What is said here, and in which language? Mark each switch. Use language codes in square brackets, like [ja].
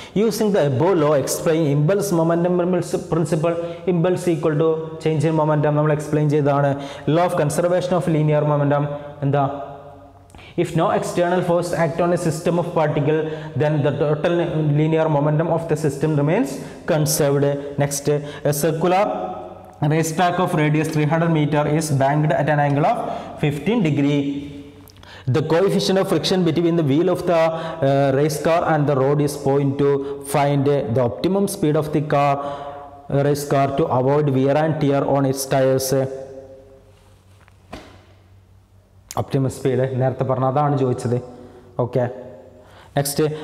[en] Using the above law explain impulse momentum principle. Impulse equal to change in momentum [ml] നമ്മൾ explain ചെയ്തതാണ്. [en] law of conservation of linear momentum [ml] എന്താ? [en] If no external force act on a system of particle then the total linear momentum of the system remains conserved. Next, a circular Race track of radius 300 meter is banked at an angle of 15 degree. The coefficient of friction between the wheel of the race car and the road is 0.2. Find the optimum speed of the car, race car to avoid wear and tear on its tires. [ml] Optimum speed, നേരത്തെ പറഞ്ഞതാണ് ചോദിച്ചത്. Okay, next.